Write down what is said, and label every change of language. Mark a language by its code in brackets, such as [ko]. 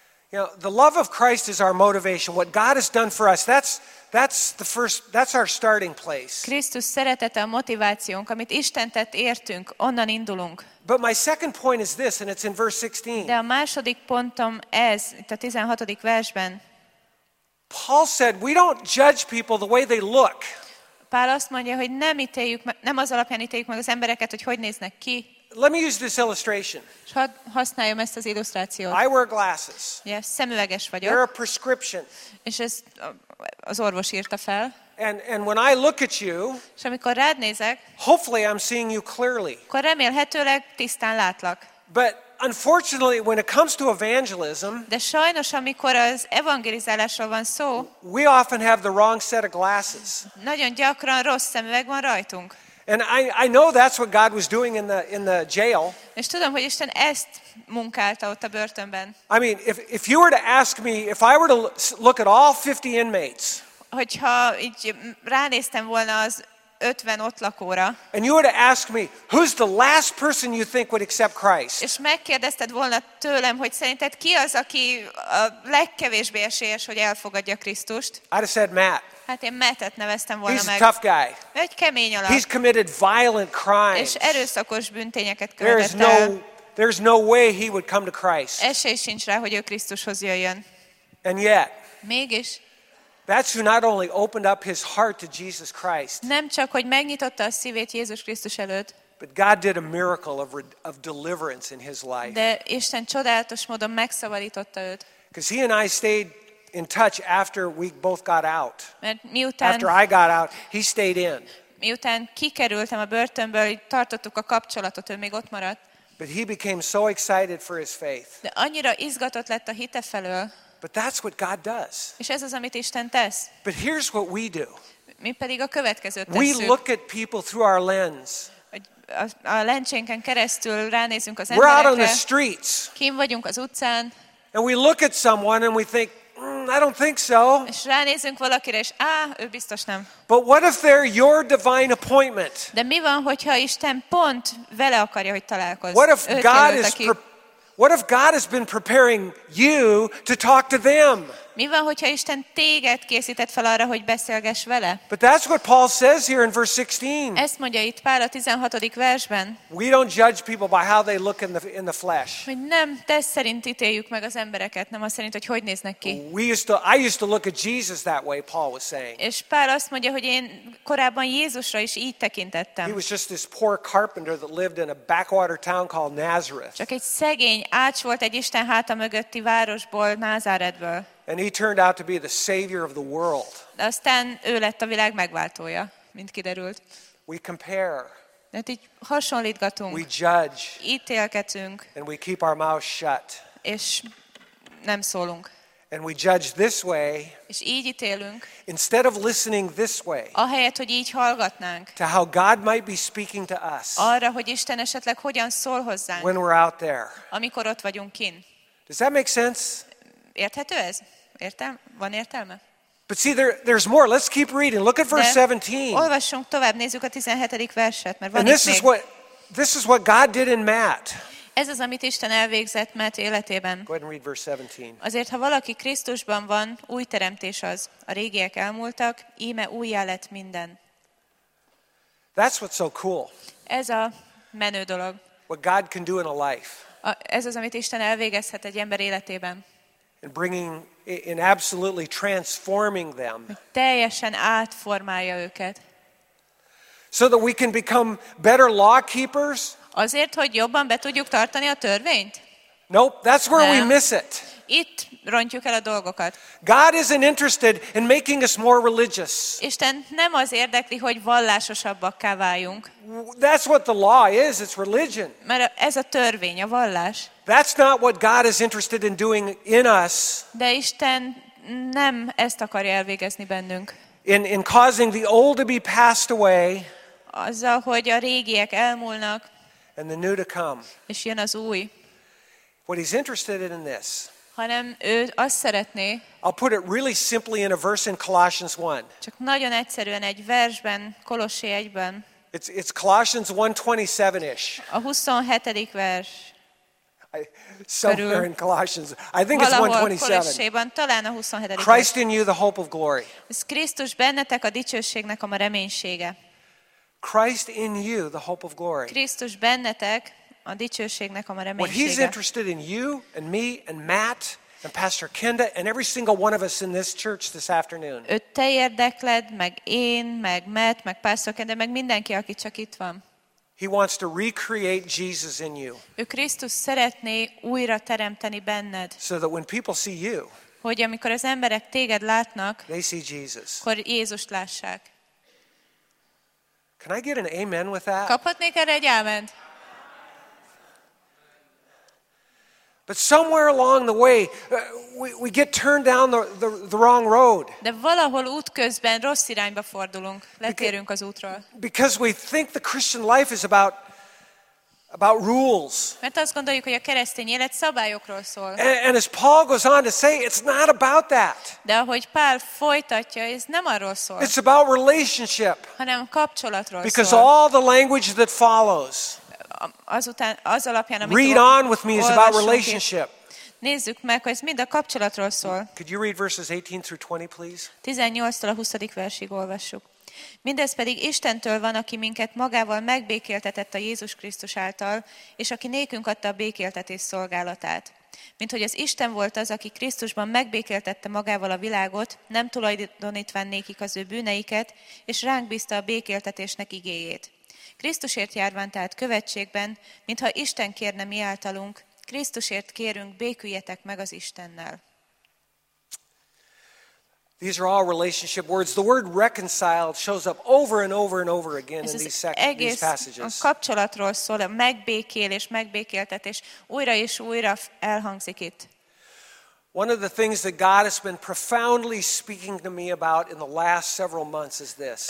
[en] You know, the love of Christ is our motivation. What God has done for us, that's our starting place. [hu] Krisztus szeretete a motivációnk, amit Isten tett értünk, onnan indulunk. [en] But my second point is this, and it's in verse 16. [hu] De a második pontom ez, itt a 16. versben. [en] Paul said, we don't judge people the way they look. [hu] Pál azt mondja, hogy nem ítéljük, nem az alapján ítéljük meg az embereket, hogy hogy néznek ki. [en] Let me use this illustration. [hu] Hadd használjam ezt az illusztrációt. [en] I wear glasses. Yes, [hu] szemüveges vagyok. [en] They're a prescription. [hu] És ezt az orvos írta fel. [en] And when I look at you, [hu] és amikor rád nézek, [en] hopefully I'm seeing you clearly. [hu] Akkor remélhetőleg tisztán látlak. [en] But unfortunately, when it comes to evangelism, [hu] de sajnos, amikor az evangelizálásról van szó, [en] we often have the wrong set of glasses. [hu] Nagyon gyakran rossz szemüveg van rajtunk. [en] And I know that's what God was doing in the jail. [hu] És tudom, hogy Isten ezt munkálta ott a börtönben. [en] I mean, if you were to ask me, if I were to look at all 50 inmates, [hu] hogyha így ránéztem volna az 50 ott lakóra. [en] And you were to ask me, who's the last person you think would accept Christ? [hu] És megkérdezted volna tőlem, hogy szerinted ki az, aki a legkevésbé esélyes, hogy elfogadja Krisztust? [en] I'd have said Matt. [hu] Hát én Mattet neveztem volna [en] He's [hu] meg. [en] A tough guy. [hu] Egy kemény alak. [en] He's committed violent crimes. [hu] És erőszakos bűntényeket követett el. [en] There's no way he would come to Christ. [hu] Esély sincs rá, hogy ő Krisztushoz jöjjön. [en] And yet. [hu] Mégis. [en] That's who not only opened up his heart to Jesus Christ. [hu] Nem csak hogy megnyitotta a szívét Jézus Krisztus előtt. [en] But God did a miracle of deliverance in his life. [hu] De Isten csodálatos módon megszabadította őt. [en] Because he and I stayed in touch after we both got out. [hu] Mert miután, [en] after I got out, he stayed in. [hu] Miután kikerültem a börtönből, tartottuk a kapcsolatot, ő még ott maradt. [en] But he became so excited for his faith. [hu] De annyira izgatott lett a hite felől. [en] But that's what God does. [hu] És ez az, amit Isten tesz. [en] But here's what we do. [hu] Mi pedig a következőt tesszük. [en] We look at people through our lens. [hu] A lencsénken keresztül ránézünk az emberekre. [en] We're out on the streets. [hu] Kín vagyunk az utcán. [en] And we look at someone and we think, I don't think so. [hu] És ránézünk valakire, és ő biztos nem. [en] But what if they're your divine appointment? [hu] De mi van, hogyha Isten pont vele akarja, hogy találkozz? [en] What if God is What if God has been preparing you to talk to them? [hu] Mi van, hogyha Isten téged készített fel arra, hogy beszélgess vele? [en] But that's what Paul says here in verse 16. [hu] Ezt mondja itt Pál a 16. versben. [en] We don't judge people by how they look in the flesh. [hu] Mi nem tesz szerint ítéljük meg az embereket, nem az szerint, hogy hogy néznek ki. [en] I used to look at Jesus that way, Paul was saying. [hu] És Pál azt mondja, hogy én korábban Jézusra is így tekintettem. [en] He was just this poor carpenter that lived in a backwater town called Nazareth. [hu] Csak egy szegény ács volt egy Isten háta mögötti városból, Názáretből. [en] And he turned out to be the savior of the world. [hu] De aztán ő lett a világ megváltója, mint kiderült. [en] We compare. [hu] Hát így hasonlítgatunk. [en] We judge. [hu] Ítélkezünk. [en] And we keep our mouth shut. [hu] És nem szólunk. [en] And we judge this way. [hu] És így ítélünk. [en] Instead of listening this way. [hu] Ahelyett, hogy így hallgatnánk. [en] To how God might be speaking to us. [hu] Arra, hogy Isten esetleg hogyan szól hozzánk. [en] When we're out there. [hu] Amikor ott vagyunk kin. [en] Does that make sense? [hu] Érthető ez? Értem? Van értelme? [en] But see, there's more. Let's keep reading. Look at verse 17. [hu] Olvassunk tovább, nézzük a 17. verset, mert van itt még. [en] And this is what God did in Matt. [hu] Ez az, amit Isten elvégzett Matt életében. [en] Go ahead and read verse 17. [hu] Azért, ha valaki Krisztusban van, új teremtés az. A régiek elmúltak, íme újjá lett minden. [en] That's what's so cool. [hu] Ez a menő dolog. [en] What God can do in a life. [hu] Ez az, amit Isten elvégezhet egy ember életében. [en] And bringing, in absolutely transforming them. [hu] Teljesen átformálja őket. [en] So that we can become better law keepers. [hu] Azért, hogy jobban be tudjuk tartani a törvényt? [en] Nope, that's where we miss it. [hu] Itt rontjuk el a dolgokat. [en] God isn't interested in making us more religious. [hu] Isten nem az érdekli, hogy vallásosabbakká váljunk. [en] That's what the law is, it's religion. [hu] Mert ez a törvény, a vallás. [en] That's not what God is interested in doing in us. [hu] De Isten nem ezt akarja elvégezni bennünk. [en] In causing the old to be passed away. [hu] Azzal, hogy a régiek elmúlnak. [en] And the new to come. [hu] És jön az új. [en] What he's interested in this. [hu] Hanem ő azt szeretné. [en] I'll put it really simply in a verse in Colossians 1. [hu] Csak nagyon egyszerűen egy versben, Kolossé 1-ben. [en] It's Colossians 1:27-ish. [hu] A 27. vers. [en] Somewhere in Colossians. I think it's 1:27. [hu] Talán a 27. [en] Christ in you, the hope of glory. [hu] Krisztus bennetek a dicsőségnek a reménysége. [en] Christ in you, the hope of glory. [hu] Krisztus bennetek a dicsőségnek a reménysége. [en] What he's interested in you and me and Matt and Pastor Kenda and every single one of us in this church this afternoon. [hu] Ő te érdekled, meg én, meg Matt, meg Pastor Kenda, meg mindenki, aki csak itt van. [en] He wants to recreate Jesus in you. [hu] Ő Krisztus szeretné újra teremteni benned. [en] So that when people see you, [hu] hogy amikor az emberek téged látnak, [en] they see Jesus. [hu] Akkor Jézust lássák. [en] Can I get an amen with that? [hu] Kaphatnék erre egy áment? [en] But somewhere along the way, we get turned down the wrong road. [hu] De valahol útközben rossz irányba fordulunk, letérünk az útról. [en] Because we think the Christian life is about rules. [hu] Mert azt gondoljuk, hogy a keresztény élet szabályokról szól. [en] And as Paul goes on to say, it's not about that. [hu] De ahogy Pál folytatja, ez nem arról szól. [en] It's about relationship. [hu] Hanem kapcsolatról szól. [en] Because all the language that follows. [hu] Azután, az alapján, amit [en] read on with me is about relationship. [hu] Nézzük meg, hogy ez mind a kapcsolatról szól. [en] Could you read verses 18 through 20, please? [hu] 18-tól a 20. versig olvassuk. Mindez pedig Istentől van, aki minket magával megbékéltetett a Jézus Krisztus által, és aki nékünk adta a békéltetés szolgálatát. Mint hogy az Isten volt az, aki Krisztusban megbékéltette magával a világot, nem tulajdonítván nékik az ő bűneiket, és ránk bízta a békéltetésnek igéjét. Krisztusért járván tehát követségben, mintha Isten kérne mi általunk, Krisztusért kérünk, béküljetek meg az Istennel. [en] These are all relationship words. The word reconciled shows up over and over and over again in these passages. [hu] Ez az egész kapcsolatról szól, a megbékélés, megbékéltetés, újra és újra elhangzik itt. [en] One of the things that God has been profoundly speaking to me about in the last several months is this.